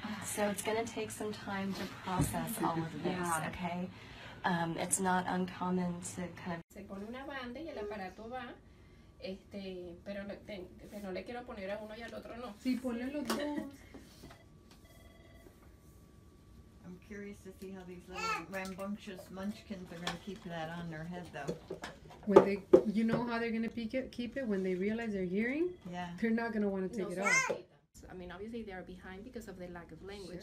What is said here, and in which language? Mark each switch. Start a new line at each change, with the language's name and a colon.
English: So it's going to take some time to process all of this, yeah. Okay? It's not uncommon to kind of...
Spanish: Se pone una banda y el aparato va, pero no le quiero poner a uno y al otro no. Sí, ponle los dos.
English: I'm curious to see how these little rambunctious munchkins are going to keep that on their head, though. When they, you know how they're going to keep it when they realize they're hearing? Yeah. They're not going to want to take it off. I mean, obviously, they are behind because of the lack of language,